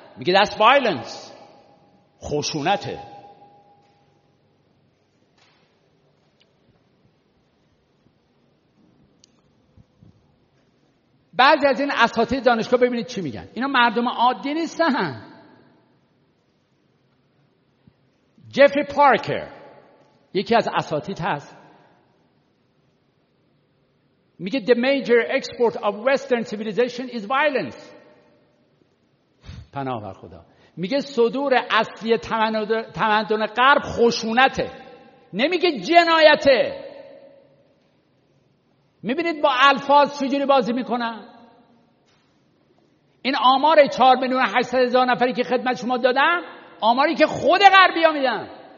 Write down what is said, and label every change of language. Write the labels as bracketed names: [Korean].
[Persian] میگه دست وایلنس، خشونته. بعضی از این اساتید دانشگاه ببینید چی میگن. اینا مردم عادی نیستن. جفری پارکر یکی از اساتید هست، میگه [English] the major export of western civilization is violence. [Persian] پناه بر خدا، میگه صدور اصلی تمدن غرب خشونته، نمیگه جنایته. میبینید با الفاظ چجوری بازی میکنن. این آمار 4,800,000 نفری که خدمت شما دادم، آماری که خود غربی ها میدن.